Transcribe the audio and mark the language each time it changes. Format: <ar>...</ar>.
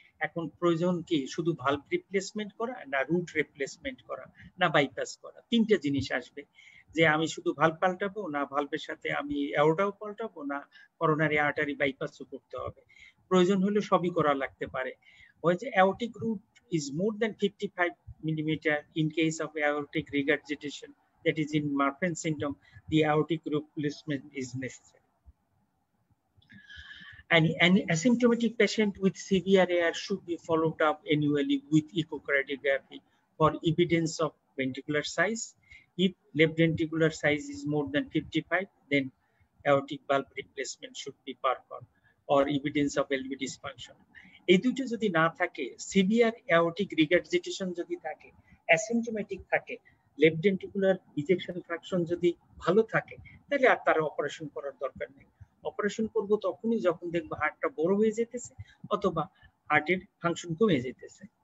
<bn>এখন প্রয়োজন কি শুধু ভালভ রিপ্লেসমেন্ট করা না রুট রিপ্লেসমেন্ট করা না বাইপাস করা, তিনটে জিনিস আসবে যে আমি শুধু ভালভ পাল্টাবো না ভালভের সাথে আমি অ্যাওর্টাও পাল্টাবো না করোনারি আর্টারি বাইপাসও করতে হবে, প্রয়োজন হলে সবই করা লাগতে পারে।</bn> <en>হয়েছে aortic root is more than 55 millimetre, in case of aortic regurgitation that is in Marfan symptom the aortic replacement is necessary. And asymptomatic patient with severe AR should be followed up annually with echocardiography for evidence of ventricular size. If left ventricular size is more than 55, then aortic bulb replacement should be performed or evidence of LV dysfunction.</en> <bn>এই দুটো যদি না থাকে, severe aortic regurgitation যদি থাকে, asymptomatic থাকে, left ventricular ejection fraction যদি ভালো থাকে, তাহলে আর তার অপারেশন করার দরকার নেই। অপারেশন করবো তখনই যখন দেখবো হার্টটা বড় হয়ে যেতেছে অথবা হার্টের ফাংশন কমে যেতেছে।</bn>